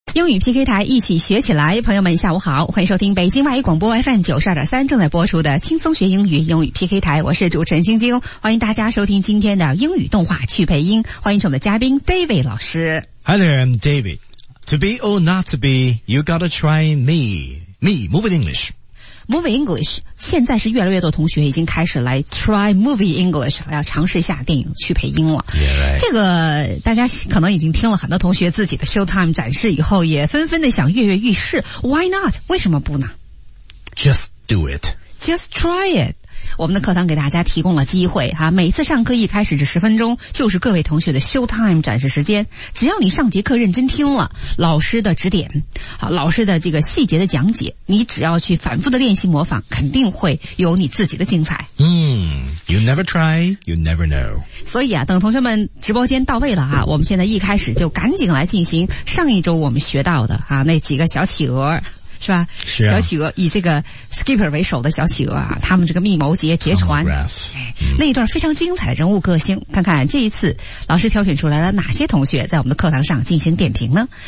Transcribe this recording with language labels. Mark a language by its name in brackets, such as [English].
[Chinese] 英语 PK 台一起学起来，朋友们下午好，欢迎收听北京外语广播 FM92.3 正在播出的轻松学英语英语 PK 台，我是主持人晶晶，欢迎大家收听今天的英语动画去配音，欢迎我们的嘉宾 David 老师。 [English] Hi there, I'm David. To be or not to be, you gotta try me. Me, move in English. [Chinese] Movie English, 现在是越来越多同学已经开始来 [English] try movie English, [Chinese] 要尝试一下电影去配音了。 [English] Yeah, right. [Chinese] 这个大家可能已经听了很多同学自己的 showtime 展示以后也纷纷的想跃跃欲试。 [English] Why not? [Chinese] 为什么不呢? [English] Just do it. Just try it. [Chinese] 我们的课堂给大家提供了机会哈，每次上课一开始这十分钟就是各位同学的 show time 展示时间，只要你上节课认真听了老师的指点，好，老师的这个细节的讲解，你只要去反复的练习模仿，肯定会有你自己的精彩。 [English] You never try, you never know. [Chinese] 所以啊，等同学们直播间到位了哈，我们现在一开始就赶紧来进行上一周我们学到的哈那几个小企鹅。是吧是、啊、小企鹅以这个 Skipper 为首的小企鹅啊，他们这个密谋劫船、那一段非常精彩的人物个性，看看这一次老师挑选出来了哪些同学在我们的课堂上进行点评呢。